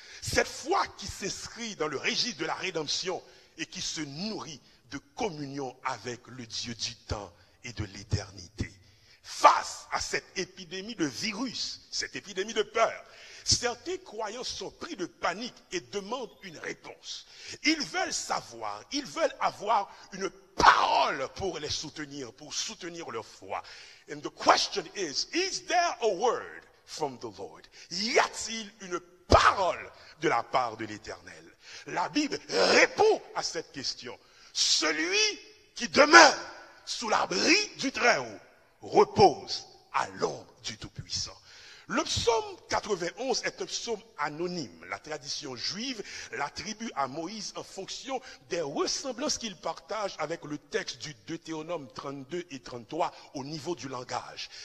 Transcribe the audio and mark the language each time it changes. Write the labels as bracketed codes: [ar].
[fr] Cette foi qui s'inscrit dans le registre de la rédemption et qui se nourrit de communion avec le Dieu du temps et de l'éternité. Face à cette épidémie de virus, cette épidémie de peur, certains croyants sont pris de panique et demandent une réponse. Ils veulent savoir, ils veulent avoir une parole pour les soutenir, pour soutenir leur foi. [en] And the question is there a word from the Lord? [fr] Y a-t-il une parole de la part de l'Éternel? La Bible répond à cette question. Celui qui demeure sous l'abri du Très-Haut repose à l'ombre du Tout-Puissant. Le psaume 91 est un psaume anonyme. La tradition juive l'attribue à Moïse en fonction des ressemblances qu'il partage avec le texte du Deutéronome 32 et 33 au niveau du langage.